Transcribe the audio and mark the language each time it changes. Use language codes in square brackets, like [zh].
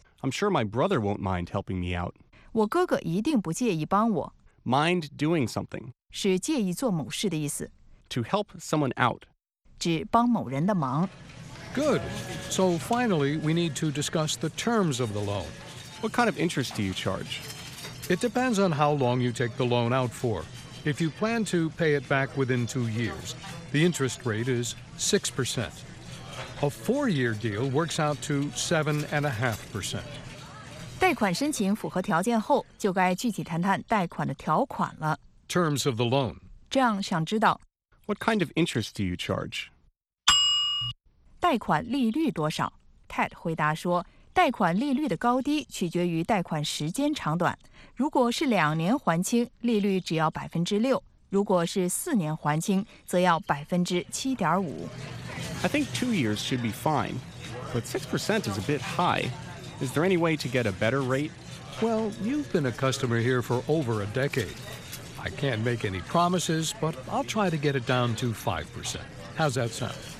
[en] I'm sure my brother won't mind helping me out. [zh] 我哥哥一定不介意帮我。 [en] Mind doing something. [zh] 是介意做某事的意思。 [en] To help someone out. [zh] 指帮某人的忙。 [en] Good. So finally, we need to discuss the terms of the loan. What kind of interest do you charge? It depends on how long you take the loan out for. If you plan to pay it back within 2 years, the interest rate is 6%. A 4-year deal works out to 7.5%. [zh] 贷款申请符合条件后，就该具体谈谈贷款的条款了。 [en] Terms of the loan. [zh] 这样想知道 [en] What kind of interest do you charge? [zh] 贷款利率多少 Ted 回答说，贷款利率的高低取决于贷款时间长短。如果是2年还清，利率只要6%；如果是4年还清，则要7.5%。 [en] I think 2 years should be fine, but 6% is a bit high. Is there any way to get a better rate? Well, you've been a customer here for over a decade. I can't make any promises, but I'll try to get it down to 5%. How's that sound?